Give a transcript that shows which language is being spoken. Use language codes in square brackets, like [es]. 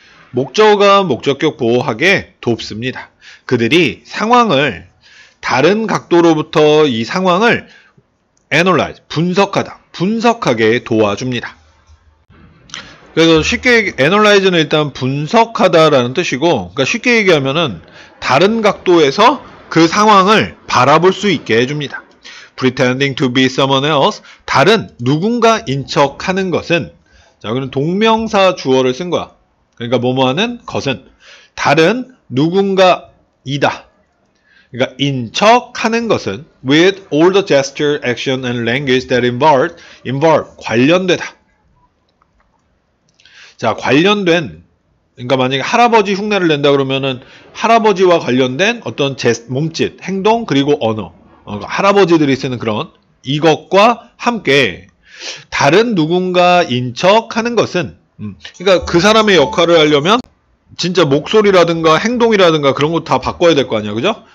[ko] 목적어가 목적격 보호하게 돕습니다. 그들이 상황을 다른 각도로부터 이 상황을 analyze, 분석하다, 분석하게 도와줍니다. 그래서 쉽게 analyze는 일단 분석하다라는 뜻이고, 그러니까 쉽게 얘기하면은 다른 각도에서 그 상황을 바라볼 수 있게 해줍니다. [en] Pretending to be someone else. [ko] 다른 누군가인 척 하는 것은. 자, 그럼 동명사 주어를 쓴 거야. 그러니까 뭐뭐 하는 것은. 다른 누군가이다. 그러니까 인척 하는 것은. [en] With all the gesture, action, and language that involve. [ko] 관련되다. 자, 관련된. 그러니까 만약에 할아버지 흉내를 낸다 그러면은 할아버지와 관련된 어떤 몸짓, 행동, 그리고 언어, 할아버지들이 쓰는 그런 이것과 함께 다른 누군가인 척 하는 것은, 그러니까 그 사람의 역할을 하려면 진짜 목소리라든가 행동이라든가 그런 거다 바꿔야 될거 아니야, 그죠?